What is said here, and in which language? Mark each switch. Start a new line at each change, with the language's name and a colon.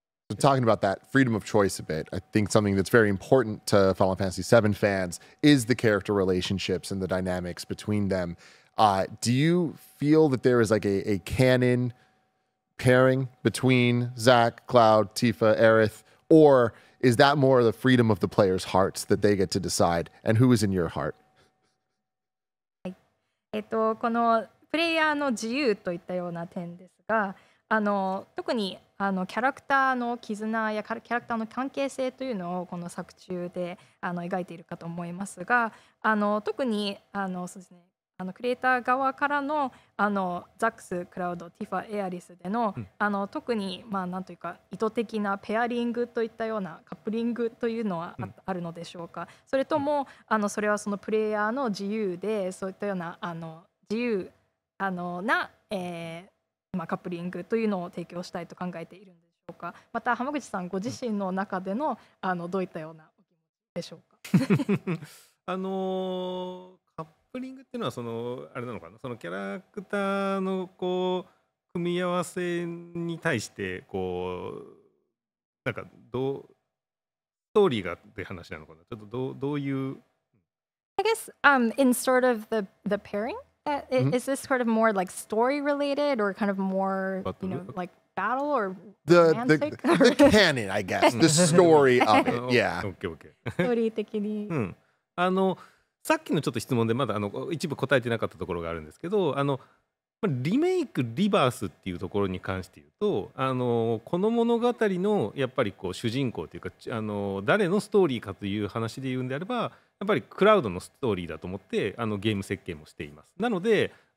English: So talking about that freedom of choice a bit, I think something that's very important to Final Fantasy VII fans is the character relationships and the dynamics between them. Do you feel that there is like a canon pairing between Zack, Cloud, Tifa, Aerith, or is that more the freedom of the players' hearts that they get to decide? And who is in your heart?
Japanese: このプレイヤーの自由といったような点ですが、特にキャラクターの絆やキャラクターの関係性というのをこの作中で描いているかと思いますが、特にそうですね、クリエイター側から の, ザックス、クラウド、ティファ、エアリスで の,、うん、特に、まあ、なんというか意図的なペアリングといったようなカップリングというのは うん、あるのでしょうか。それとも、うん、それはそのプレイヤーの自由で、そういったような自由な、カップリングというのを提供したいと考えているんでしょうか。また浜口さんご自身の中で の,、うん、どういったようなお気持ちでしょうか。カップリングっていうのはそのあれなのかな、そのキャラクターのこう組み合わせに対してこうなんかどうストーリーがって話なのかな、ちょっとどういう
English: I guess in sort of the pairing that, is this sort of more like story related or kind of more you know like battle or the canon I guess the story of it yeah okay okay
Japanese: ストーリー的にうんさっきのちょっと質問でまだ一部答えてなかったところがあるんですけど、リメイクリバースっていうところに関して言うと、この物語のやっぱりこう主人公というか誰のストーリーかという話で言うんであれば、やっぱりクラウドのストーリーだと思ってゲーム設計もしています。なので